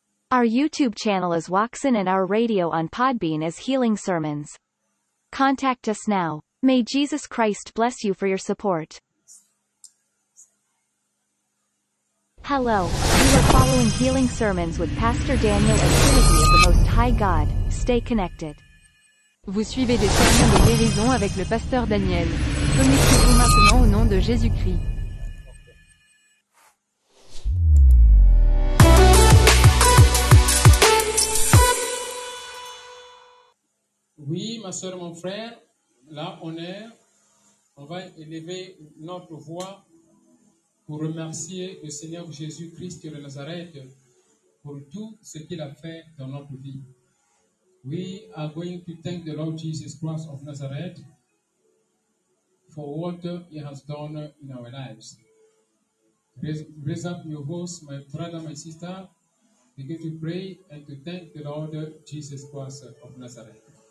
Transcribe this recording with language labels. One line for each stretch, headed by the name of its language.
English: Our YouTube channel is Watson and our radio on Podbean is Healing Sermons. Contact us now. May Jesus Christ bless you for your support. Hello, you are following Healing Sermons with Pastor Daniel and Trinity of the Most High God. Stay connected.
French: Vous suivez des sermons de guérison avec le pasteur Daniel. Connectez-vous maintenant au nom de Jésus-Christ. Oui, ma sœur, mon frère, là on est. On va élever notre voix pour remercier le Seigneur Jésus-Christ de Nazareth pour tout ce qu'il a fait dans notre vie.
English: We are going to thank the Lord Jesus Christ of Nazareth for what he has done in our lives. Raise up your voice, my brother, my sister, begin to pray and to thank the Lord Jesus Christ of Nazareth.